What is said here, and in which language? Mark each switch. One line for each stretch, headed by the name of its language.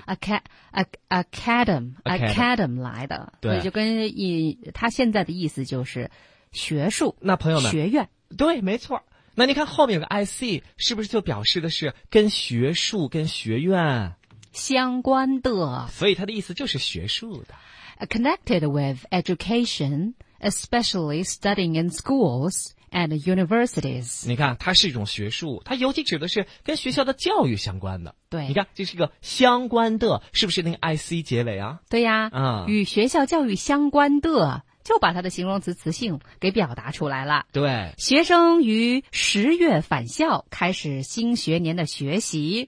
Chinese: academ 来的。对，所以就跟他现在的意思就是学术。那朋友们，学院。对，没错。那你看后面有个
English: I see，
Chinese: 是不是就表示的是跟学术、跟学院相关的？所以它的意思就是学术的。
English: Connected with education, especially studying in schools and universities.
Chinese: 你看，它是一种学术，它尤其指的是跟学校的教育相关的。对，你看，这是一个相关的，是不是那个
English: I see
Chinese: 结尾啊？对呀，啊，嗯，与学校教育相关的。就把它的形容词词性给表达出来了。对，学生于十月返校开始新学年的学习。